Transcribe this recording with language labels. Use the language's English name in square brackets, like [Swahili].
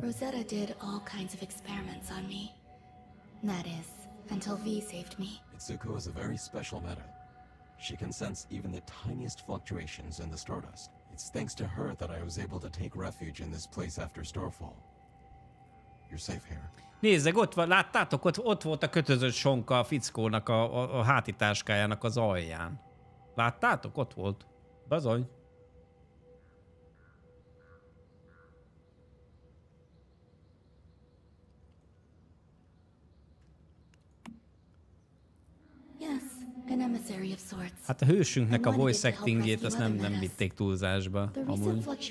[English] Rosetta did all kinds of experiments on me. That is, until V saved me. Mitsuko is a very special meta. She can sense even the tiniest fluctuations in the stardust. It's thanks to her that I was able to take refuge in this place after Starfall. You're safe here. [Hungarian] Nézzek, ott van, láttátok, ott volt a kötözött sonka a fickónak a hátitáskájának az alján. Láttátok, ott volt. Bazony. [English] Yes, an emissary of sorts. [Hungarian] Hát a hősünknek a voice actingjét azt nem vitték túlzásba. Amúgy.